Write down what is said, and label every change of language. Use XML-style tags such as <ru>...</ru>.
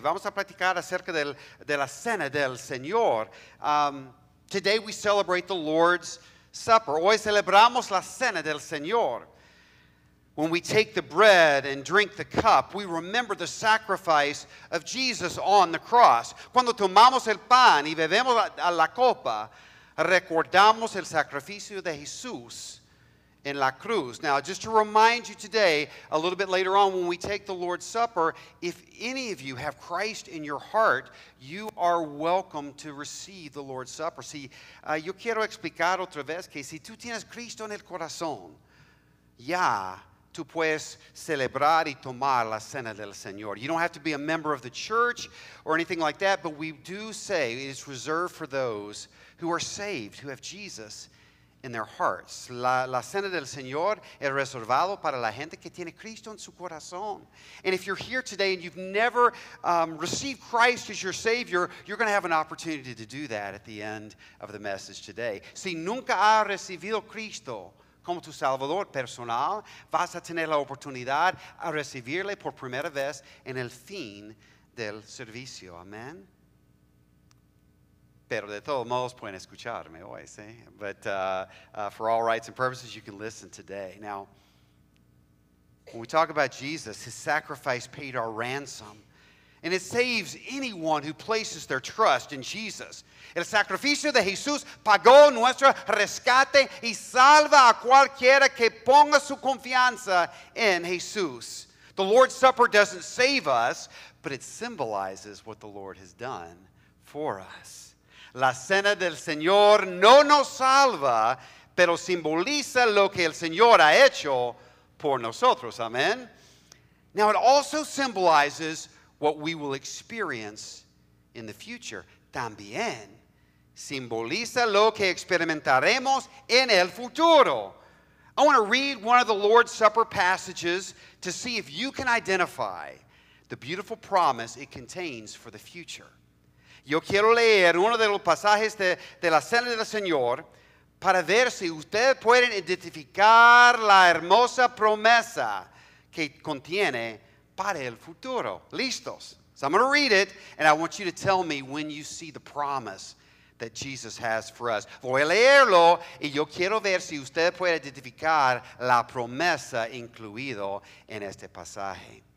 <es>Vamos a platicar acerca de la cena del Señor.</es> <en>Today we celebrate the Lord's Supper.</en> <es>Hoy celebramos la cena del Señor.</es> <en>When we take the bread and drink the cup, we remember the sacrifice of Jesus on the cross.</en> <es>Cuando tomamos el pan y bebemos la copa, recordamos el sacrificio de Jesús en la cruz.</es> <en>Now, just to remind you today, a little bit later on, when we take the Lord's Supper, if any of you have Christ in your heart, you are welcome to receive the Lord's Supper.</en> <es>See, yo quiero explicar otra vez que si tú tienes Cristo en el corazón, ya tú puedes celebrar y tomar la cena del Señor.</es> <en>You don't have to be a member of the church or anything like that, but we do say it's reserved for those who are saved, who have Jesus in their hearts.</en> <es>La cena del Señor es reservado para la gente que tiene Cristo en su corazón.</es> <en>And if you're here today and you've never received Christ as your Savior, you're going to have an opportunity to do that at the end of the message today.</en> <es>Si nunca ha recibido Cristo como tu salvador personal, vas a tener la oportunidad a recibirle por primera vez en el fin del servicio. Amén. Pero de todos modos pueden escucharme hoy, ¿sí?</es> <en>But for all rights and purposes, you can listen today. Now, when we talk about Jesus, his sacrifice paid our ransom. And it saves anyone who places their trust in Jesus.</en> <es>El sacrificio de Jesús pagó nuestro rescate y salva a cualquiera que ponga su confianza en Jesús.</es> <en>The Lord's Supper doesn't save us, but it symbolizes what the Lord has done for us.</en> <es>La cena del Señor no nos salva, pero simboliza lo que el Señor ha hecho por nosotros.</es> <en>Amen. Now, it also symbolizes what we will experience in the future.</en> <es>También simboliza lo que experimentaremos en el futuro.</es> <en>I want to read one of the Lord's Supper passages to see if you can identify the beautiful promise it contains for the future.</en> <es>Yo quiero leer uno de los pasajes de la cena del Señor para ver si ustedes pueden identificar la hermosa promesa que contiene para el futuro. Listos.</es> <en>So I'm going to read it, and I want you to tell me when you see the promise that Jesus has for us.</en> <es>Voy a leerlo, y yo quiero ver si usted puede identificar la promesa incluido en este pasaje.</es>